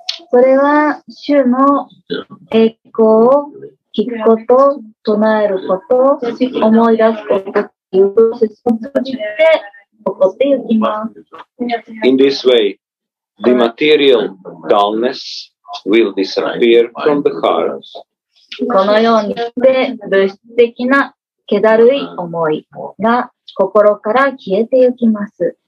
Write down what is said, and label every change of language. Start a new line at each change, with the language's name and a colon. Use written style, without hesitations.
Japanese: それは主の栄光を聞くこと、唱えること、思い出すことというプロセスを通じて起こっていきます。
English: In this way,The material dullness will disappear from the heart.
Japanese: このようにして物質的な気だるい思いが心から消えてゆきます。